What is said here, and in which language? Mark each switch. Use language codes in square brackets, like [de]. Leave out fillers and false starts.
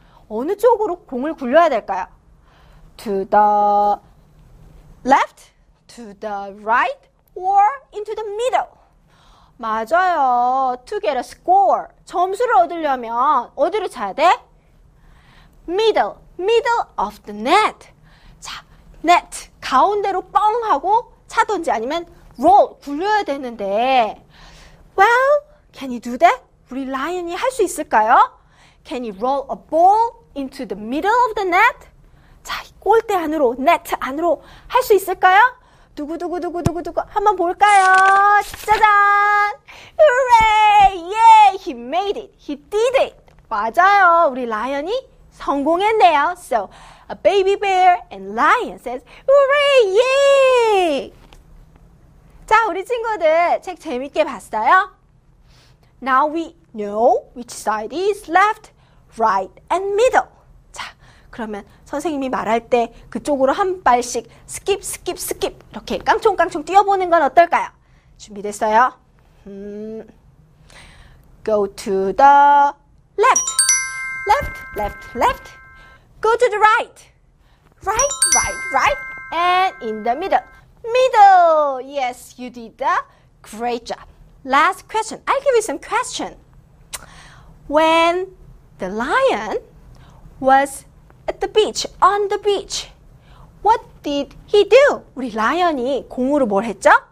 [ko] 어느 쪽으로 공을 굴려야 될까요? [en] To the left, to the right, or into the middle? [ko] 맞아요. [en] To get a score. [ko] 점수를 얻으려면 어디로 차야 돼? [en] Middle. Middle of the net. 자, net. [ko] 가운데로 뻥 하고 차던지 아니면 roll. 굴려야 되는데. [en] Well, can you do that? [ko] 우리 라이언이 할 수 있을까요? [en] Can you roll a ball into the middle of the net? [ko] 자, 골대 안으로, net 안으로 할 수 있을까요? 두구두구두구두구두구 한번 볼까요? 짜잔! [en] Hooray! Yeah! He made it! He did it! [ko] 맞아요. 우리 라이언이 성공했네요. [en] So, a baby bear and lion says, Hooray! Yeah! [ko] 자, 우리 친구들 책 재밌게 봤어요? [en] Now we know which side is left, right, and middle. [ko] 자, 그러면 선생님이 말할 때 그쪽으로 한 발씩 [en] skip, skip, skip [ko] 이렇게 깡총깡총 뛰어보는 건 어떨까요? 준비됐어요? [en] Go to the left. Left, left, left. Go to the right. Right, right, right. And in the middle. Middle. Yes, you did the great job. Last question. I'll give you some question. When the lion was at the beach, on the beach, what did he do? [ko] 우리 라이언이 공으로 뭘 했죠?